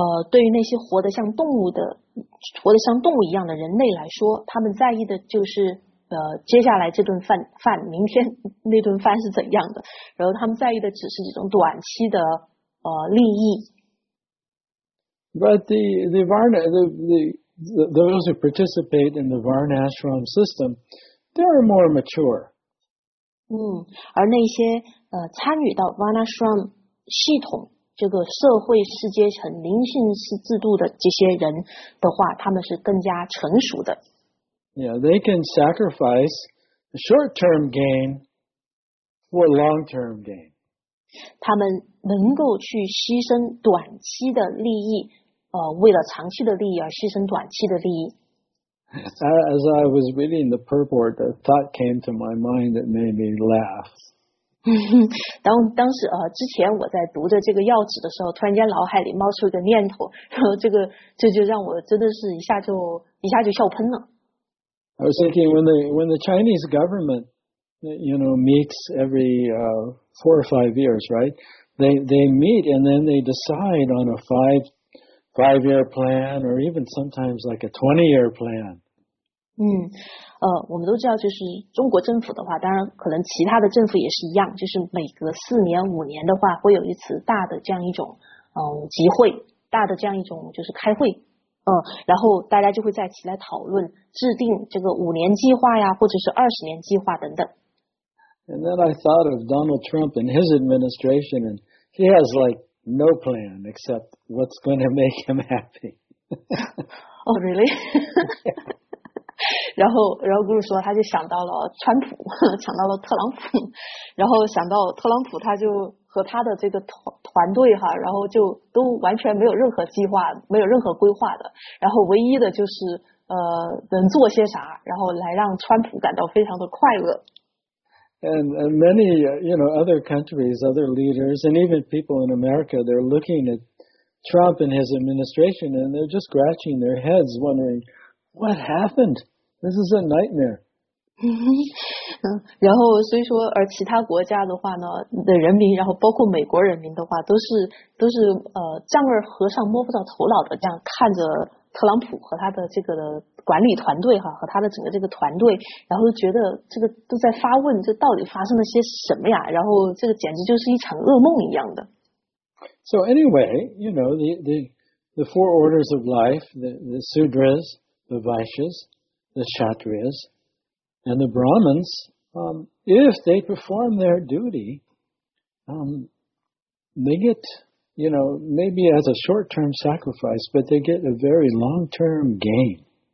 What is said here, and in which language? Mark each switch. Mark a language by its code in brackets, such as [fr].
[zh] 对于那些活得像动物一样的人类来说，他们在意的就是接下来这顿饭，明天那顿饭是怎样的，然后他们在意的只是这种短期的利益。 [en] But those who participate in the Varnashram system, they are more mature. [zh] 而那些参与到 Varnashram 系统这个社会世阶层灵性制度的这些人的话，他们是更加成熟的。 [en] Yeah, they can sacrifice short-term gain for long-term gain. [zh] 他们能够去牺牲短期的利益，为了长期的利益而牺牲短期的利益。 [en] As I was reading the purport, a thought came to my mind that made me laugh. [zh] 当时之前我在读着这个要旨的时候，突然间脑海里冒出一个念头，然后这就让我真的是一下就笑喷了。 [en] I was thinking when the Chinese government, you know, meets every four or five years, right? They meet and then they decide on a five-year plan, or even sometimes like a 20-year plan. [zh] 我们都知道，就是中国政府的话，当然可能其他的政府也是一样，就是每隔四年、五年的话，会有一次大的这样一种集会，大的这样一种就是开会，然后大家就会在一起来讨论制定这个五年计划呀，或者是二十年计划等等。 [en] And then I thought of Donald Trump and his administration, and he has like no plan except what's going to make him happy. Oh, really? [zh] 然后姑姑说，他就想到了川普，想到了特朗普，然后想到特朗普，他就和他的这个团队哈，然后就都完全没有任何计划，没有任何规划的，然后唯一的就是能做些啥，然后来让川普感到非常的快乐。 [en] And many, you know, other countries, other leaders, and even people in America, they're looking at Trump and his administration, and they're just scratching their heads, wondering, what happened? This is a nightmare. [zh] 然后所以说，而其他国家的话呢，的人民，然后包括美国人民的话，都是丈二和尚摸不着头脑的这样看着特朗普和他的这个管理团队和他的整个这个团队，然后觉得这个都在发问，这到底发生了些什么呀，然后这个简直就是一场噩梦一样的。 [en] So anyway, you know, the the four orders of life, the Sudras, the Vaishyas, the Kshatriyas, and the Brahmins, if they perform their duty, they get, you know, maybe as a short-term sacrifice, but they get a very long-term gain.